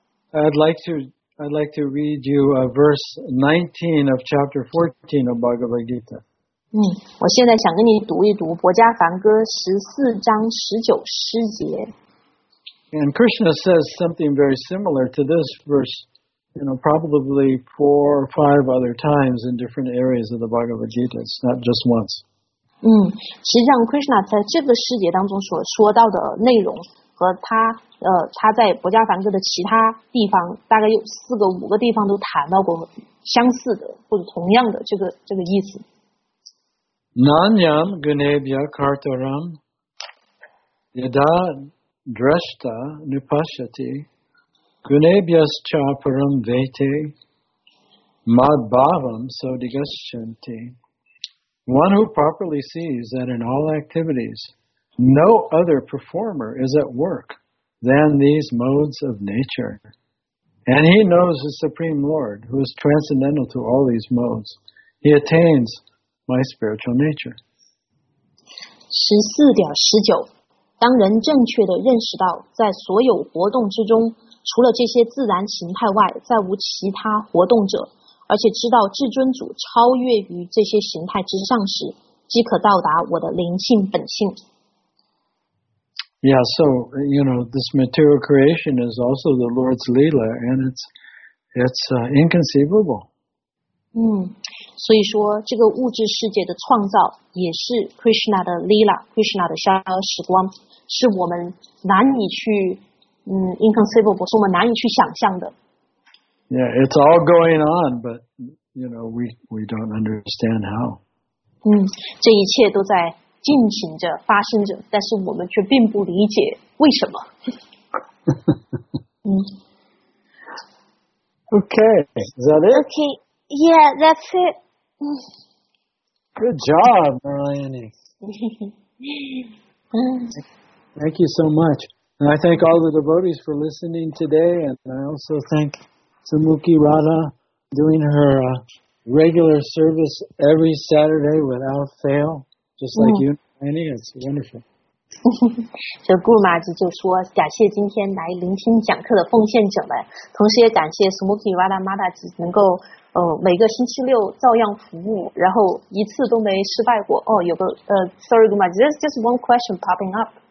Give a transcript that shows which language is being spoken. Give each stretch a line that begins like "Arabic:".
English: I'd like to read you a verse 19 of chapter 14 of Bhagavad Gita.
Chinese: 嗯，我现在想跟你读一读《博迦梵歌》14章19诗节。
English: And Krishna says something very similar to this verse, you know, probably 4 or 5 other times in different areas of the Bhagavad Gita. It's not just once.
Chinese: 嗯，实际上 Krishna 在这个诗节当中所说到的内容和他在《博迦梵歌》的其他地方，大概有4个5个地方都谈到过相似的或者同样的这个意思。
Sanskrit: Nanyam gunebhya kartaram yada drashta nupashati gunebhyascha param vete madbhavam so digashanti.
English: One who properly sees that in all activities no other performer is at work than these modes of nature. And he knows the Supreme Lord, who is transcendental to all these modes. He attains my spiritual nature.
Chinese: 14.19 当人正确地认识到在所有活动之中除了这些自然形态外再无其他活动者，而且知道至尊主超越于这些形态之上时，即可到达我的灵性本性。
English: Yeah, so, you know, this material creation is also the Lord's Leela, and it's inconceivable.
Chinese: 所以说这个物质世界的创造也是 Krishna 的 Leela, Krishna 的消失光，是我们难以去inconceivable, 是我们难以去想象的。
English: Yeah, it's all going on, but, you know, we don't understand how.
Chinese: 这一切都在进行着，发生着，但是我们却并不理解为什么。
English: Okay, is that it? Okay, yeah, that's it. Good job, Narayani. Thank you so much. And I thank all the devotees for listening today, and I also thank Samuki Radha doing her regular service every Saturday without fail, just like you.
Chinese: 这顾玛吉就说感谢今天来聆听讲课的奉献者们，同时也感谢 Smoky Radha Mata 吉能够每个星期六照样服务，然后一次都没失败过。哦，有个
English: sorry 顾玛吉， there's just one question popping up.